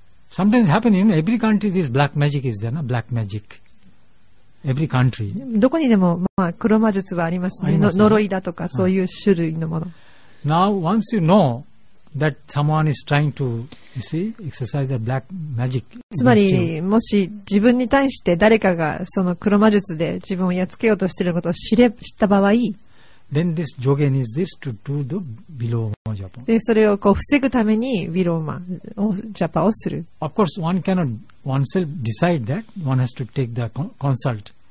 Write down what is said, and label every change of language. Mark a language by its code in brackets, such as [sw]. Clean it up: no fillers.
[en] Sometimes happen in every country, this black magic is there, no? Black magic. Every country. [ja] どこにでも、まあ、黒魔術はありますね。呪いだとかそういう種類のもの。 [en] Now, once you know, that someone is trying to, you see, exercise the black magic. [ja] つまり、もし自分に対して誰かがその黒魔術で自分をやっつけようとしていることを知った場合、 [en] then this jogen is this to do the viloma japa. [ja] で、それをこう防ぐためにヴィローマをジャパをする。 [en] Of course, one cannot oneself decide that. One has to take the consult.